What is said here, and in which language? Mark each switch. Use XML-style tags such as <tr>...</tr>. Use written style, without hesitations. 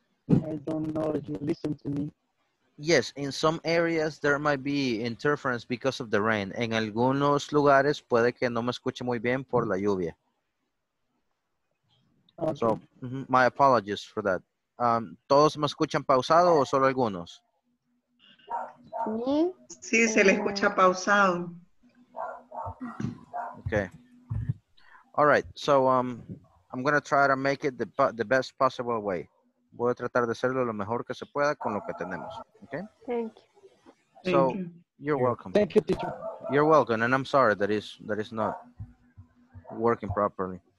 <en>I don't know if you listen to me. Yes, in some areas there might be interference because of the rain.</en> <es>En algunos lugares puede que no me escuche muy bien por la lluvia.</es> <en>Okay. So, my apologies for that.</en> <es>¿Todos me escuchan pausado o solo algunos? Sí, se le escucha pausado.</es> <en>Okay. All right, so I'm going to try to make it the best possible way.</en> <es>Voy a tratar de hacerlo lo mejor que se pueda con lo que tenemos.</es> <en>Okay? Thank you. So, you're welcome. Thank you, teacher. You're welcome, and I'm sorry that is not working properly.</en>